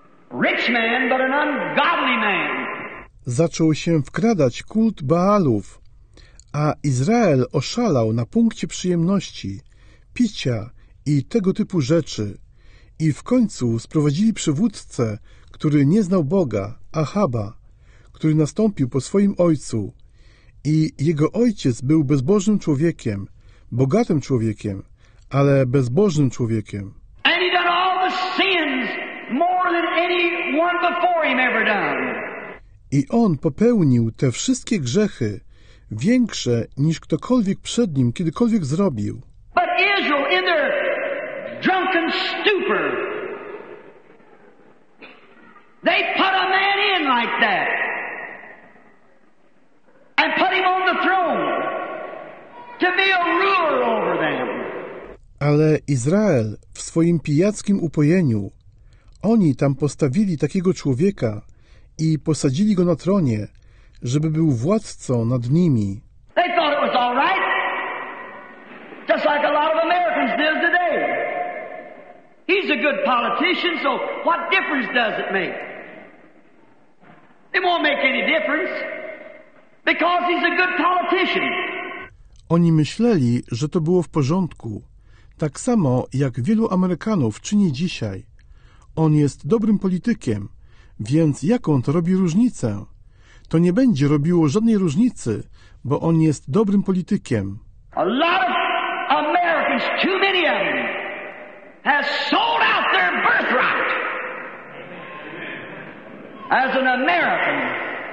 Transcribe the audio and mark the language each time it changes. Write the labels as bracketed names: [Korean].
[English] Rich man, but an ungodly man. [Polish] Zaczął się wkradać kult Baalów, a Izrael oszalał na punkcie przyjemności, picia i tego typu rzeczy. I w końcu sprowadzili przywódcę, który nie znał Boga, Ahaba, który nastąpił po swoim ojcu. I jego ojciec był bezbożnym człowiekiem, bogatym człowiekiem, ale bezbożnym człowiekiem. [English] And he done all the sins more than anyone before him ever done. [Polish] I on popełnił te wszystkie grzechy, większe niż ktokolwiek przed nim kiedykolwiek zrobił. [English] But Israel, in their drunken stupor, they put a man in like that. And put him on the throne to be a ruler over them. [Polish] Ale Izrael w swoim pijackim upojeniu, oni tam postawili takiego człowieka i posadzili go na tronie, żeby był władcą nad nimi. [English] They thought it was all right. Just like a lot of Americans do today. He's a good politician, so what difference does it make? It won't make any difference. Because he's a good politician. [Polish] Oni myśleli, że to było w porządku. Tak samo jak wielu Amerykanów czyni dzisiaj. On jest dobrym politykiem, więc jaką to robi różnicę? To nie będzie robiło żadnej różnicy, bo on jest dobrym politykiem. [English] A lot of Americans, too many of them, have sold out their birthright as an American.